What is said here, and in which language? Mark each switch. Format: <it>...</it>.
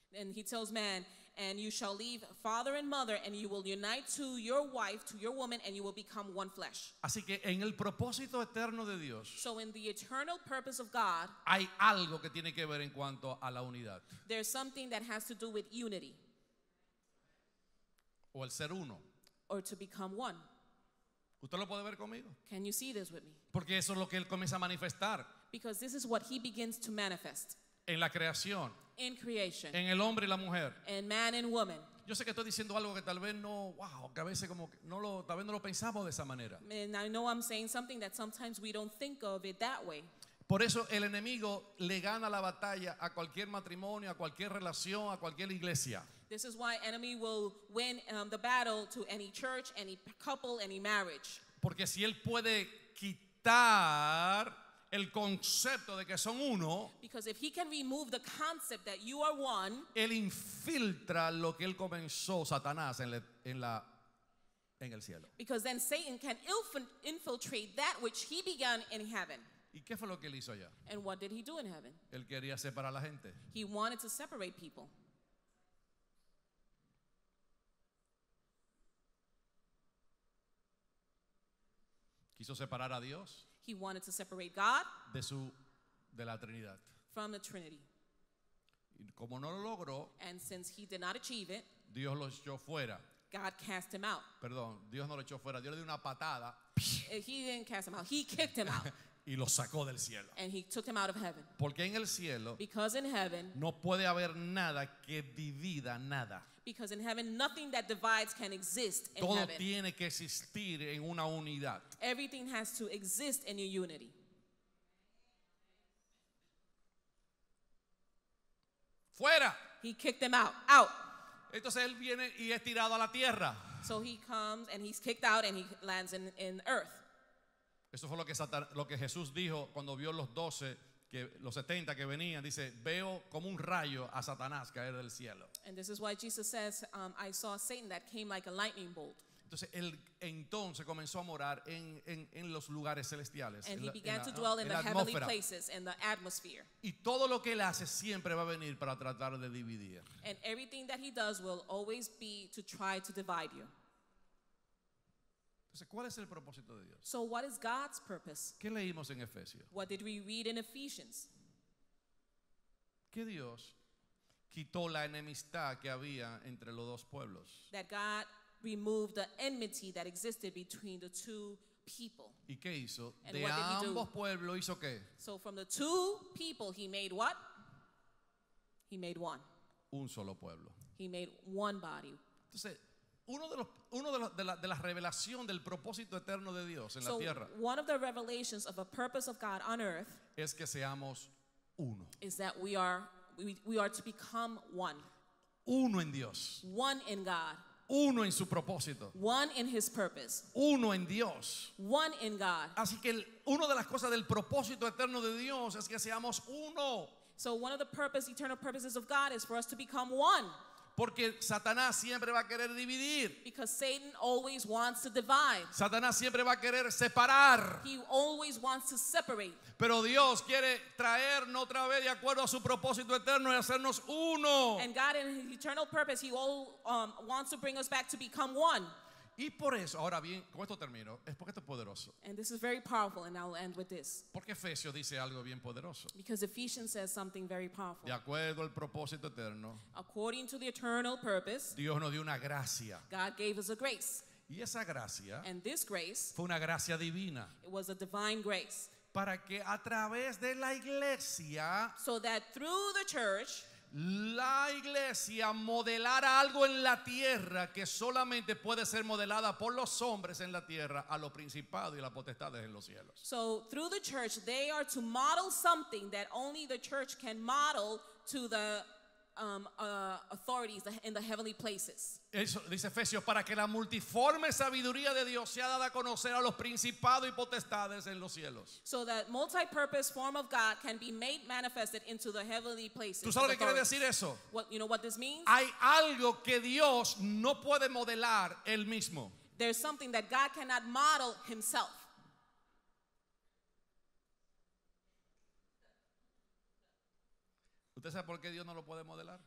<en>And he tells man, and you shall leave father and mother and you will unite to your wife, to your woman, and you will become one flesh.</en> <es>Así que en el propósito eterno de Dios,</es> <en>so in the eternal purpose of God,</en> <es>hay algo que tiene que ver en cuanto a la unidad.</es> <en>There's something that has to do with unity.</en> <es>O el ser uno.</es> <en>Or to become one.</en> <es>¿Usted lo puede ver conmigo?</es> <en>Can you see this with me?</en> <es>Porque eso es lo que él comienza a manifestar.</es> <en>Because this is what he begins to manifest.</en> <es>En la creación.</es> <en>In creation.</en> <es>En el hombre y la mujer.</es> <en>In man and woman.</en> <es>Yo sé que estoy diciendo algo que tal vez no, que a veces como no lo, tal vez no lo pensamos de esa manera.</es> <en>And I know I'm saying something that sometimes we don't think of it that way.</en> <es>Por eso el enemigo le gana la batalla a cualquier matrimonio, a cualquier relación, a cualquier iglesia.</es> <en>This is why enemy will win the battle to any church, any couple, any marriage.</en> <es>Porque si él puede quitar el concepto de que son uno,</es> <en>because if he can remove the concept that you are one,</en> <es>él infiltra lo que él comenzó, Satanás, en el cielo.</es> <en>Because then Satan can infiltrate that which he began in heaven.</en> <es>¿Y qué fue lo que él hizo allá?</es> <en>And what did he do in heaven?</en> <es>Él quería separar a la gente.</es> <en>He wanted to separate people.</en> <es>Quiso separar a Dios.</es> <en>He wanted to separate God</en> <es>de la Trinidad.</es> <en>From the Trinity.</en> <es>Y como no lo logró,</es> <en>and since he did not achieve it,</en> <es>Dios lo echó fuera.</es> <en>God cast him out.</en> <es>Perdón, Dios no lo echó fuera. Dios le dio una patada.</es> <en>He didn't cast him out. He kicked him out.</en> <es>y lo sacó del cielo.</es> <en>And he took him out of heaven.</en> <es>Porque en el cielo,</es> <en>because in heaven,</en> <es>no puede haber nada que divida nada.</es> <en>Because in heaven, nothing that divides can exist in</en> <es>todo</es> <en>heaven.</en> <es>Tiene que existir en una unidad.</es> <en>Everything has to exist in a unity.</en> <es>Fuera.</es> <en>He kicked them out. Out.</en> <es>Entonces él viene y es tirado a la tierra.</es> <en>So he comes and he's kicked out and he lands in earth.</en> <es>Eso fue lo que Jesús dijo cuando vio los 12, que los 70 que venían, dice, veo como un rayo a Satanás caer del cielo.</es> <en>And this is why Jesus says, I saw Satan that came like a lightning bolt.</en> <es>Entonces él entonces comenzó a morar en los lugares celestiales.</es> <en>And he began to dwell in the heavenly places and the atmosphere.</en> <es>Y todo lo que él hace siempre va a venir para tratar de dividir.</es> <en>And everything that he does will always be to try to divide you.</en> <es>Entonces, ¿cuál es el propósito de Dios?</es> <en>So what is God's purpose?</en> <es>¿Qué leímos en Efesios?</es> <en>What did we read in Ephesians?</en> <es>Que Dios quitó la enemistad que había entre los dos pueblos.</es> <en>That God removed the enmity that existed between the two people.</en> <es>¿Y qué hizo? De ambos pueblos hizo qué?</es> <en>So from the two people he made what? He made one.</en> <es>Un solo pueblo.</es> <en>He made one body.</en> <es>Entonces, uno de las revelación del propósito eterno de Dios en la tierra.</es> <en>So one of the revelations of a purpose of God on earth</en> <es>es que seamos uno.</es> <en>Is that we are to become one.</en> <es>Uno en Dios.</es> <en>One in God.</en> <es>Uno en su propósito.</es> <en>One in his purpose.</en> <es>Uno en Dios.</es> <en>One in God.</en> <es>Así que una de las cosas del propósito eterno de Dios es que seamos uno.</es> <en>So one of the purpose, eternal purposes of God is for us to become one.</en> <es>Porque Satanás siempre va a querer dividir.</es> <en>Because Satan always wants to divide.</en> <es>Satanás siempre va a querer separar.</es> <en>He always wants to separate.</en> <es>Pero Dios quiere traernos otra vez de acuerdo a su propósito eterno y hacernos uno.</es> <en>And God in his eternal purpose, he all wants to bring us back to become one.</en> <es>Y por eso, ahora bien, con esto termino, es porque esto es poderoso.</es> <en>And this is very powerful, and I'll end with this.</en> <es>Porque Efesios dice algo bien poderoso.</es> <en>Because Ephesians says something very powerful.</en> <es>De acuerdo al propósito eterno.</es> <en>According to the eternal purpose.</en> <es>Dios nos dio una gracia.</es> <en>God gave us a grace.</en> <es>Y esa gracia.</es> <en>And this grace.</en> <es>Fue una gracia divina.</es> <en>It was a divine grace.</en> <es>Para que a través de la iglesia.</es> <en>So that through the church.</en> <es>La iglesia modelará algo en la tierra que solamente puede ser modelada por los hombres en la tierra a los principados y las potestades en los cielos.</es> <en>So through the church they are to model something that only the church can model to the authorities in the heavenly places.</en> <es>Eso dice Efesios, para que la multiforme sabiduría de Dios sea dada a conocer a los principados y potestades en los cielos.</es> <en>So that multi-purpose form of God can be made manifested into the heavenly places.</en> <es>¿Tú sabes qué quiere decir eso?</es> <en>What, you know what this means?</en> <es>Hay algo que Dios no puede modelar él mismo.</es> <en>There's something that God cannot model himself.</en> <es>¿Usted sabe por qué Dios no lo puede modelar?</es>